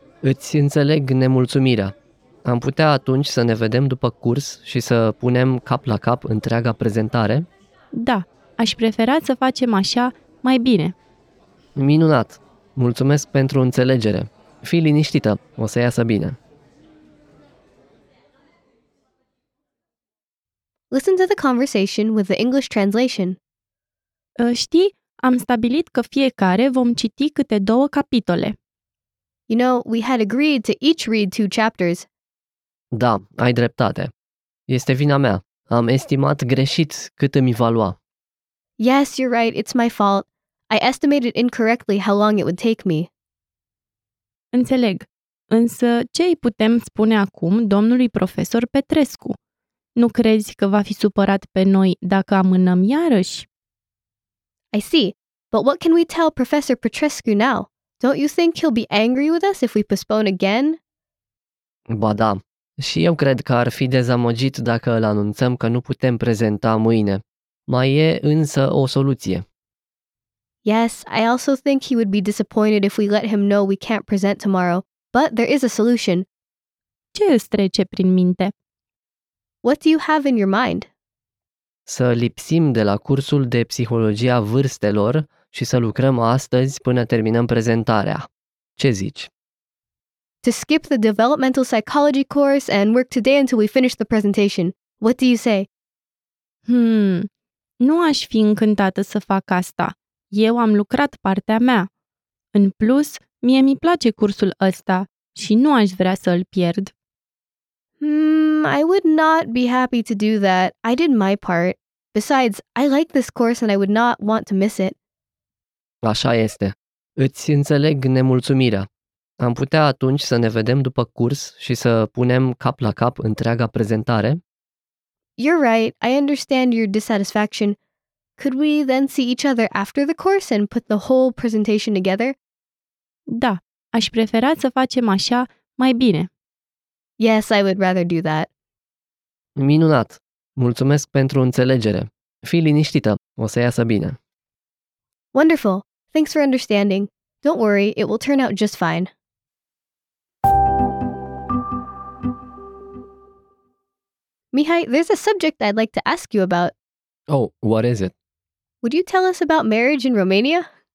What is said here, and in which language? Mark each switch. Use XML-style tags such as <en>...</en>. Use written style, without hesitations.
<ro>Îți înțeleg nemulțumirea. Am putea atunci să ne vedem după curs și să punem cap la cap întreaga prezentare? Da, aș prefera să facem așa mai bine. Minunat! Mulțumesc pentru înțelegere. Fii liniștită, o să iasă bine.</ro> <en>Listen to the conversation with the English translation.</en> <ro>Știi, am stabilit că fiecare vom citi câte două capitole.</ro> <en>You know, we had agreed to each read two chapters.</en> <ro>Da, ai dreptate. Este vina mea. Am estimat greșit cât îmi va lua.</ro> <en>Yes, you're right. It's my fault. I estimated incorrectly how long it would take me.</en> <ro>Înțeleg. Însă ce îi putem spune acum domnului profesor Petrescu? Nu crezi că va fi supărat pe noi dacă amânăm iarăși?</ro> <en>I see. But what can we tell Professor Petrescu now? Don't you think he'll be angry with us if we postpone again?</en> <ro>Ba da. Și eu cred că ar fi dezamăgit dacă îl anunțăm că nu putem prezenta mâine. Mai e însă o soluție.</ro> <en>Yes, I also think he would be disappointed if we let him know we can't present tomorrow. But there is a solution.</en> <ro>Ce îți trece prin minte?</ro> <en>What do you have in your mind?</en> <ro>Să lipsim de la cursul de psihologia vârstelor și să lucrăm astăzi până terminăm prezentarea. Ce zici?</ro> <en>To skip the developmental psychology course and work today until we finish the presentation. What do you say?</en> <ro>Nu aș fi încântată să fac asta. Eu am lucrat partea mea. În plus, mie mi place cursul ăsta și nu aș vrea să îl pierd.</ro> <en>I would not be happy to do that. I did my part. Besides, I like this course and I would not want to miss it.</en> <ro>Așa este. Îți înțeleg nemulțumirea. Am putea atunci să ne vedem după curs și să punem cap la cap întreaga prezentare?</ro> <en>You're right. I understand your dissatisfaction. Could we then see each other after the course and put the whole presentation together?</en> <ro>Da, aș prefera să facem așa mai bine.</ro> <en>Yes, I would rather do that.</en> <ro>Minunat! Mulțumesc pentru înțelegere. Fii liniștită, o să iasă bine.</ro> <en>Wonderful! Thanks for understanding. Don't worry, it will turn out just fine. Mihai, there's a subject I'd like to ask you about. Oh, what is it? Would you tell us about marriage in Romania?</en>